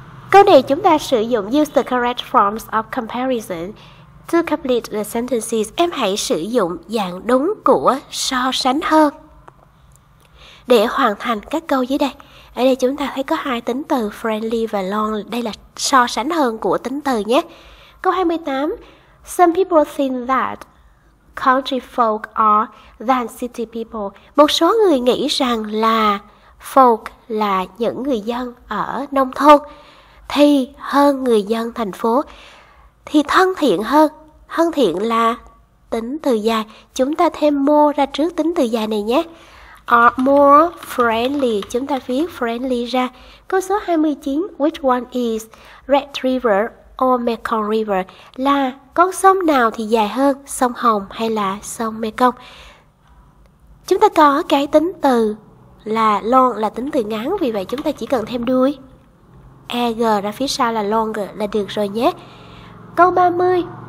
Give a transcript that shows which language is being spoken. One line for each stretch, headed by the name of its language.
Vietnamese: Câu này chúng ta sử dụng
English: use the correct forms of comparison to complete the sentences.
Vietnamese: Em hãy sử dụng dạng đúng của so sánh hơn để hoàn thành các câu dưới đây. Ở đây chúng ta thấy có hai tính từ friendly và long. Đây là so sánh hơn của tính từ nhé. Câu 28.
English: Some people think that country folk are than city people.
Vietnamese: Một số người nghĩ rằng là folk là những người dân ở nông thôn thì hơn người dân thành phố. Thì thân thiện hơn. Thân thiện là tính từ dài. Chúng ta thêm more ra trước tính từ dài này nhé.
English: Are more friendly.
Vietnamese: Chúng ta viết friendly ra. Câu số 29.
English: Which one is Red River or Mekong River?
Vietnamese: Là con sông nào thì dài hơn? Sông Hồng hay là sông Mekong? Chúng ta có cái tính từ là long là tính từ ngắn. Vì vậy chúng ta chỉ cần thêm đuôi er ra phía sau là longer là được rồi nhé. Câu 30.